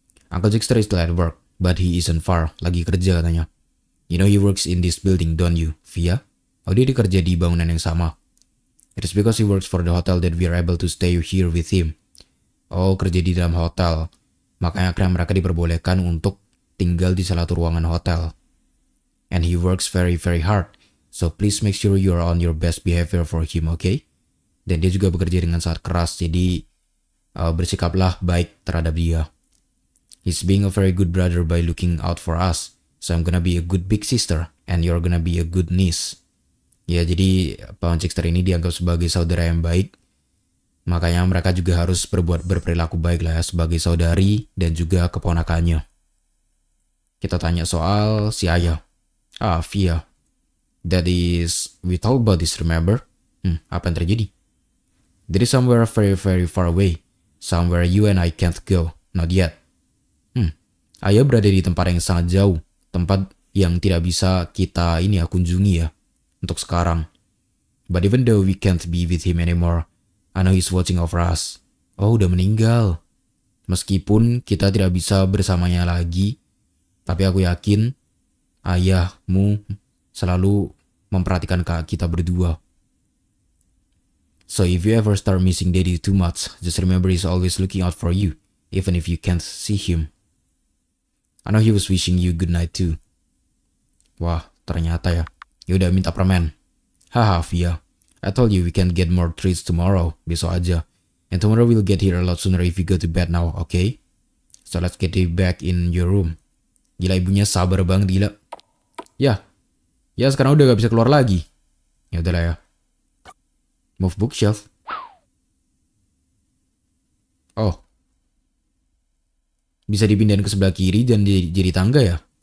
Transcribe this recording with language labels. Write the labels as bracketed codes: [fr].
[en] Uncle Jaxor is still at work, but he isn't far. [id] Lagi kerja katanya. [en] You know he works in this building, don't you, Via? [id] Oh, dia kerja di bangunan yang sama. [en] It is because he works for the hotel that we are able to stay here with him. [id] Oh, kerja di dalam hotel. Makanya akhirnya mereka diperbolehkan untuk tinggal di salah satu ruangan hotel. [en] And he works very, very hard. So please make sure you are on your best behavior for him, okay? [id] Dan dia juga bekerja dengan sangat keras. Jadi, bersikaplah baik terhadap dia. [en] He's being a very good brother by looking out for us. So I'm gonna be a good big sister. And you're gonna be a good niece. [id] Ya, jadi paman Jaxor ini dianggap sebagai saudara yang baik. Makanya mereka juga harus berperilaku baik lah ya, sebagai saudari dan juga keponakannya. Kita tanya soal si ayah. Ah, Via. [en] That is, we talked about this, remember? [id] Apa yang terjadi? [en] There is somewhere very, very far away. Somewhere you and I can't go. Not yet. [id] Ayah berada di tempat yang sangat jauh. Tempat yang tidak bisa kita ini ya, kunjungi ya. Untuk sekarang. [en] But even though we can't be with him anymore, I know he's watching over us. [id] Oh, udah meninggal. Meskipun kita tidak bisa bersamanya lagi, tapi aku yakin ayahmu selalu memperhatikan kita berdua. [en] So if you ever start missing daddy too much, just remember he's always looking out for you, even if you can't see him. I know he was wishing you good night too. [id] Wah, ternyata ya. Yaudah, minta permen. [en] Haha, Via. I told you we can't get more treats tomorrow. [id] Besok aja. [en] And tomorrow we'll get here a lot sooner if you go to bed now, okay? So let's get you back in your room. [id] Gila, ibunya sabar banget, gila. Ya, sekarang udah gak bisa keluar lagi. Yaudah lah ya. [en] Move bookshelf. [id] Oh. Bisa dipindahin ke sebelah kiri dan jadi tangga ya?